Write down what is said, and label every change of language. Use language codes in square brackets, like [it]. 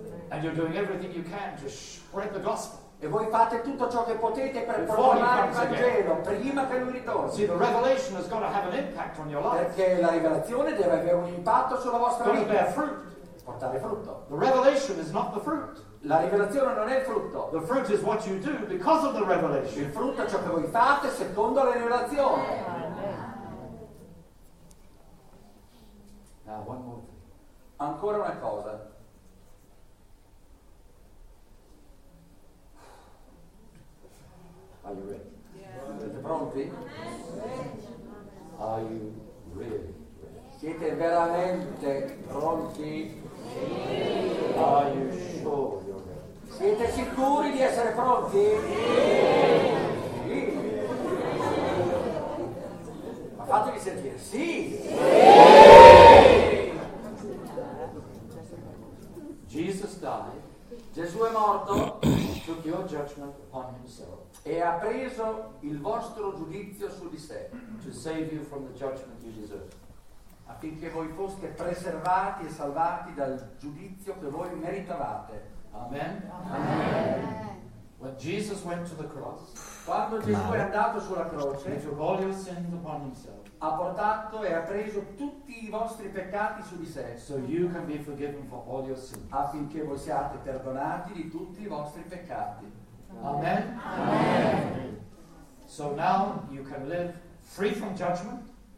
[en] And you're doing everything you can to spread the gospel. [it] E voi fate tutto ciò che potete per proclamare il Vangelo prima che lui ritorni. [en] See, the revelation has got to have an impact on your life. [it] Perché la rivelazione deve avere un impatto sulla vostra vita. [en] Bear fruit. [it] Portare frutto. [en] The revelation is not the fruit. [it] La rivelazione non è il frutto. [en] The fruit is what you do because of the revelation. [it] Il frutto è ciò che voi fate secondo la rivelazione. [en] Now one more thing. [it] Ancora una cosa. [en] Are you ready? Yes. [it] Siete pronti? [en] Yes. Are you really ready? [it] Siete veramente pronti? [en] Yes. Are you sure you're ready? [it] Siete sicuri di essere pronti? Sì. Ma fatemi sentire. Sì. [en] Jesus died. [it] Gesù è morto. [en] Took your judgment upon himself. [it] E ha preso il vostro giudizio su di sé. [en] To save you from the judgment you deserve. [it] Affinché voi foste preservati e salvati dal giudizio che voi meritavate. [en] Amen. Amen. Amen. When Jesus went to the cross, [it] quando Gesù è andato sulla croce, [en] he took all your sins upon himself. [it] Ha portato e ha preso tutti i vostri peccati su di sé. [en] So you can be forgiven for all your sins. [it] Affinché voi siate perdonati di tutti i vostri peccati. [en] Amen. Amen. So now you can live free from judgment.